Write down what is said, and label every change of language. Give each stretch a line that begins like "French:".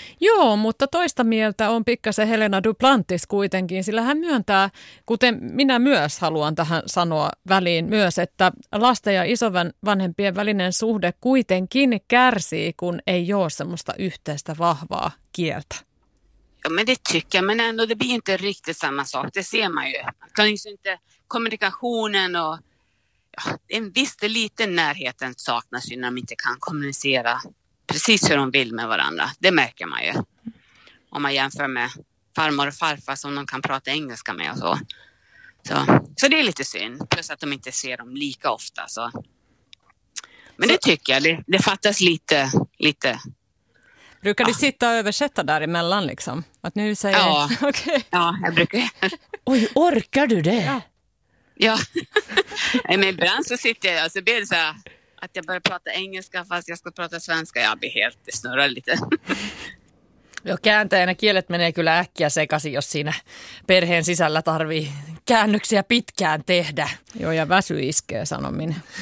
Finnish: Joo, mutta toista mieltä on pikkasen Helena Duplantis kuitenkin, sillä hän myöntää, kuten minä myös haluan tähän sanoa väliin myös, että lasten ja isovanhempien välinen suhde kuitenkin kärsii, kun ei ole semmoista yhteistä vahvaa kieltä.
Swedish: Ja, men det tycker jag, men ändå det blir inte riktigt samma sak, det ser man ju. Kan ju inte kommunikationen och ja, en viss liten närheten saknas ju när de inte kan kommunicera precis hur de vill med varandra. Det märker man ju. Om man jämför med farmor och farfar som de kan prata engelska med och så. Så det är lite synd, plus att de inte ser dem lika ofta. Så. Men så, det tycker jag, det fattas lite. Brukar du sitta och översätta däremellan liksom? Att nu säger... Ja, okay. Ja jag brukar. Oj, orkar du det? Ja. Men ibland så sitter jag och så blir det så här, att jag börjar prata engelska fast jag ska prata svenska. Jag blir helt, det snurrar lite.
Finnish: Joo, kääntäjänä kielet menee kyllä äkkiä sekaisin, jos siinä perheen sisällä tarvii käännöksiä pitkään tehdä. Joo, ja väsy iskee, sanon minä.